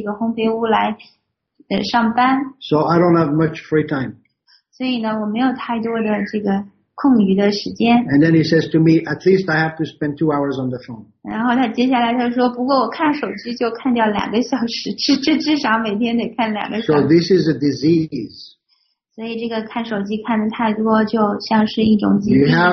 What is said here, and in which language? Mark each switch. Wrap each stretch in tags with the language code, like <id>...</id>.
<zh>所以呢，因为每天呢，就是我得一早上班，所以呢，我得早早的出发，然后呢，过了这个恒河，到这边的这个烘焙屋来上班。</zh> <en>So I don't have much free time.</en> <zh>所以呢，我没有太多的这个空余的时间。</zh> <en>And then he says to me, at least I have to spend 2 hours on the phone.</en> <zh>然后他接下来他说，不过我看手机就看掉两个小时，至少每天得看两个小时。</zh> <en>So this is a disease.</en> <zh>所以这个看手机看得太多就像是一种疾病一样。</zh>